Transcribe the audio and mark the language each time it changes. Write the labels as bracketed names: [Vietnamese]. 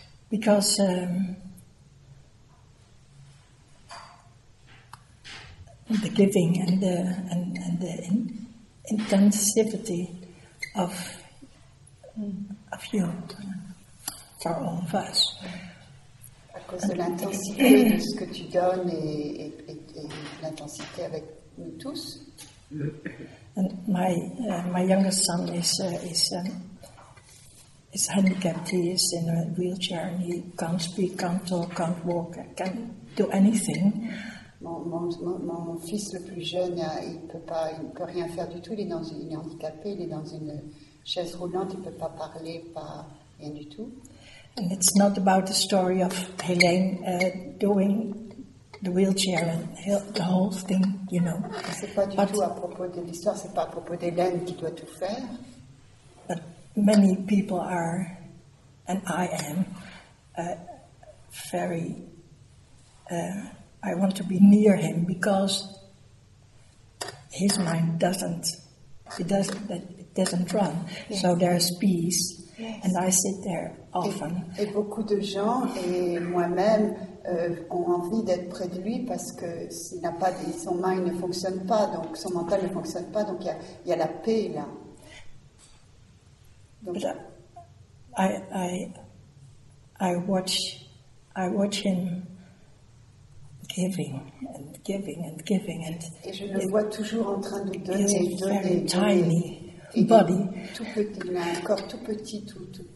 [English] Because the giving and the intensivity of you for all of us. [French] À cause de l'intensité de ce que tu donnes et l'intensité avec nous tous. [English] And my youngest son is handicapped. He is in a wheelchair and he can't speak, can't talk, can't walk, can't do anything. [French] Mon fils le plus jeune, il ne peut rien faire du tout. Il est handicapé, il est dans une chaise roulante, il ne peut pas parler, pas rien du tout. [English] And it's not about the story of Hélène doing the wheelchair and the whole thing, you know. [French] C'est pas du tout à propos de l'histoire, c'est pas à propos d'Hélène qui doit tout faire. [English] But many people are and I am very, I want to be near him because his mind doesn't run. Yes. So there's peace. Yes. And I sit there often. [French] Et beaucoup de gens et moi-même ont envie d'être près de lui parce que s'il n'a pas son mind ne fonctionne pas, donc son mental ne fonctionne pas, donc il y a la paix là. [English] Donc, but I watch him giving and giving and giving and [French] et je le vois toujours en train de donner et donner [English] very tiny body [French] tout petit, il a un corps tout petit tout.